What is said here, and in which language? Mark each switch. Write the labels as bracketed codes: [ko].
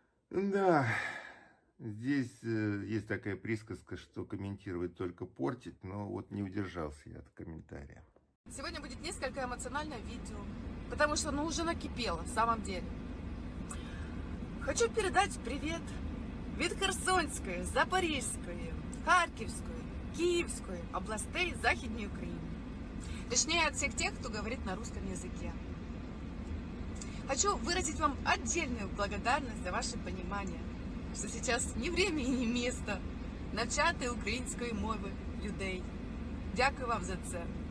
[ru] Да, здесь есть такая присказка, что комментировать только портить, но вот не удержался я от комментария. Сегодня будет несколько эмоциональное видео, потому что оно уже накипело, в самом деле. [uk] Хочу передать привет від Херсонської, Запорізької, Харківської, Київської областей Західної України. [ru] Точнее, от всех тех, кто говорит на русском языке. Хочу выразить вам отдельную благодарность за ваше понимание, что сейчас не время и не место навчати украинской мови людей. [uk] Дякую вам за це.